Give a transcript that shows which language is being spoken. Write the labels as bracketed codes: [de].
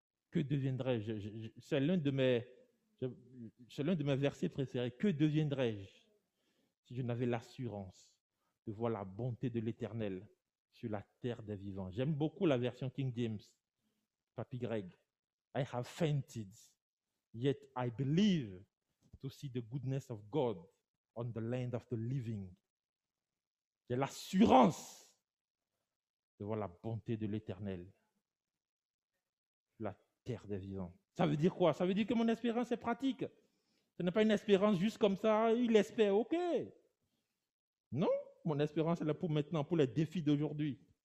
[fr] Que deviendrai-je? C'est l'un de mes versets préférés. Que deviendrai-je si je n'avais l'assurance de voir la bonté de l'Éternel sur la terre des vivants? J'aime beaucoup la version King James, Papy Greg. [en] I have fainted, yet I believe to see the goodness of God on the land of the living. [fr] J'ai l'assurance de voir la bonté de l'Éternel sur la terre des vivants. Ça veut dire quoi? Ça veut dire que mon espérance est pratique. Ce n'est pas une espérance juste comme ça, il espère, ok. Non, mon espérance est là pour maintenant, pour les défis d'aujourd'hui.